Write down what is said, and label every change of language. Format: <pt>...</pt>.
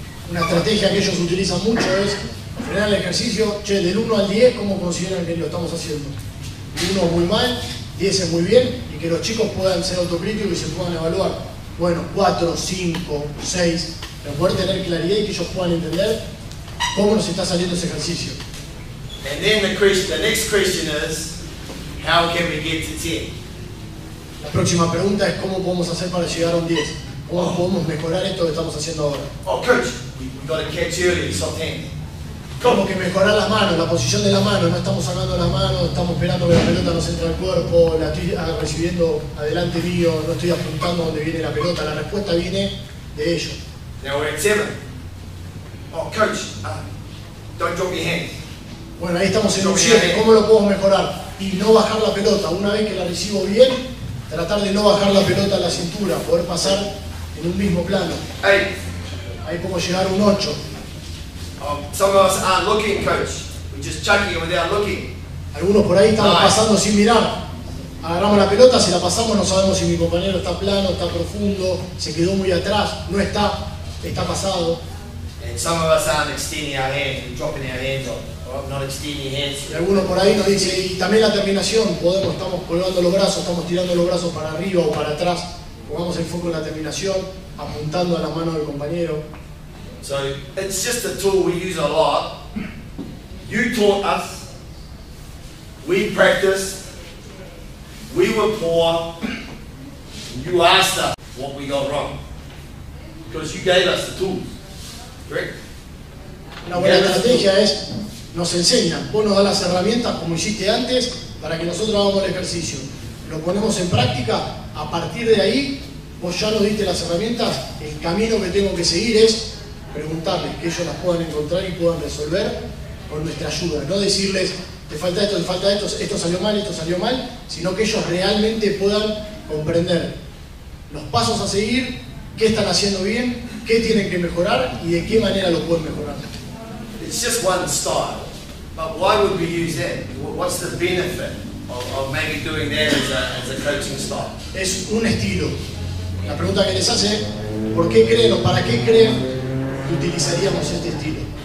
<es>Una estrategia que ellos utilizan mucho es frenar el ejercicio, che, del 1 al 10, ¿cómo consideran que lo estamos haciendo? 1 muy mal, 10 es muy bien, y que los chicos puedan ser autocríticos y se puedan evaluar. Bueno, 4, 5, 6, pero poder tener claridad y que ellos puedan entender cómo nos está saliendo ese ejercicio.</es> <en>And then the next question is, how can we get to 10?</en> <es>La próxima pregunta es, ¿cómo podemos hacer para llegar a un 10? ¿Cómo podemos mejorar esto que estamos haciendo ahora?</es> <en>Oh, coach, we got to catch early, so 10.</en> <es>¿Cómo que mejorar las manos, la posición de la mano? No estamos sacando la mano, estamos esperando que la pelota nos entre al cuerpo, la estoy recibiendo adelante mío, no estoy apuntando donde viene la pelota. La respuesta viene de ello.</es> <en>Now we're at 7. Oh, coach, don't drop your hands.</en> <es>Bueno, ahí estamos en 7. ¿Cómo lo podemos mejorar? Y no bajar la pelota. Una vez que la recibo bien, tratar de no bajar la pelota a la cintura, poder pasar en un mismo plano.</es> <en>Eight.</en> <es>Ahí podemos llegar a un 8.</es> <en>Some of us aren't looking, coach. We're just chucking it without looking.</en> <es>Algunos por ahí estamos pasando sin mirar. Agarramos la pelota, si la pasamos, no sabemos si mi compañero está plano, está profundo, se quedó muy atrás, no está, está pasado.</es> <en>And some of us aren't extending our hands, we're dropping our hands off. Not extending your hands.</en> <es>Y algunos por ahí nos dice, y también la terminación, podemos, estamos colgando los brazos, estamos tirando los brazos para arriba o para atrás. Pongamos el foco en la terminación, apuntando a la mano del compañero.</es> <en>So it's just a tool we use a lot. You taught us, we practiced, we were poor, and you asked us what we got wrong. Because you gave us the tools. Correct?</en> <es>Una buena estrategia es, nos enseñan, vos nos das las herramientas como hiciste antes para que nosotros hagamos el ejercicio. Lo ponemos en práctica, a partir de ahí, vos ya nos diste las herramientas, el camino que tengo que seguir es preguntarles que ellos las puedan encontrar y puedan resolver con nuestra ayuda. No decirles, te falta esto, esto salió mal, sino que ellos realmente puedan comprender los pasos a seguir, qué están haciendo bien, qué tienen que mejorar y de qué manera lo pueden mejorar.</es> <en>It's just one style, but why would we use that? What's the benefit of maybe doing that as a coaching style?</en> <es>Es un estilo. La pregunta que les hace, ¿por qué creen o para qué creen utilizaríamos este estilo?</es>